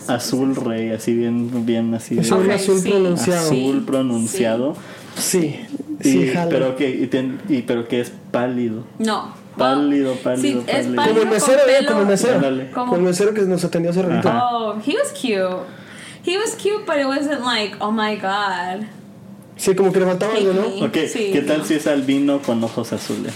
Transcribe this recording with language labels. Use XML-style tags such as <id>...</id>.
<es>azul sí, rey, así bien, bien así. Es un okay, azul sí, pronunciado. Azul pronunciado. Sí. Y, sí, pero que, y, ten, y pero que es pálido. No. Pálido, pálido, sí, pálido. Es pálido. Como el mesero, con como el mesero. Ah, como el mesero que nos atendió hace rato.</es> <en>Oh, he was cute. He was cute, but it wasn't like, oh my god.</en> <es>Sí, como que le faltaba algo, ¿no? Ok, sí, ¿qué tal no, si es albino con ojos azules?</es>